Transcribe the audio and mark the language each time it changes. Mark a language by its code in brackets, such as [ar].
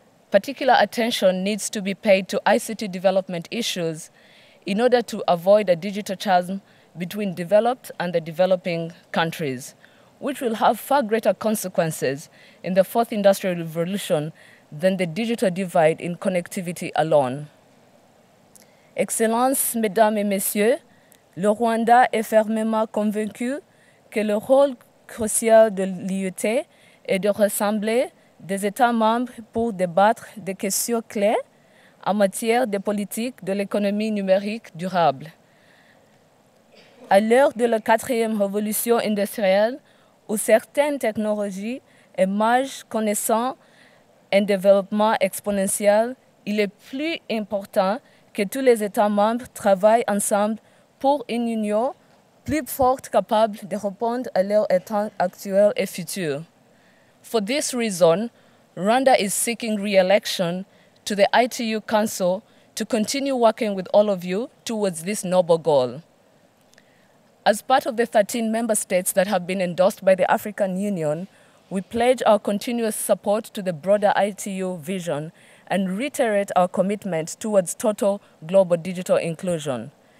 [en] Particular attention needs to be paid to ICT development issues in order to avoid a digital chasm between developed and the developing countries, which will have far greater consequences in the fourth industrial revolution than the digital divide in connectivity alone. [fr] Excellence, Mesdames et Messieurs, le Rwanda est fermement convaincu que le rôle crucial de l'IUT est de rassembler des États membres pour débattre des questions clés en matière de politique de l'économie numérique durable. À l'heure de la quatrième révolution industrielle, où certaines technologies émergent connaissant un développement exponentiel, il est plus important que tous les États membres travaillent ensemble pour une union plus forte capable de répondre à leurs attentes actuelles et futures. [en] For this reason, Rwanda is seeking re-election to the ITU Council to continue working with all of you towards this noble goal. As part of the 13 member states that have been endorsed by the African Union, we pledge our continuous support to the broader ITU vision and reiterate our commitment towards total global digital inclusion.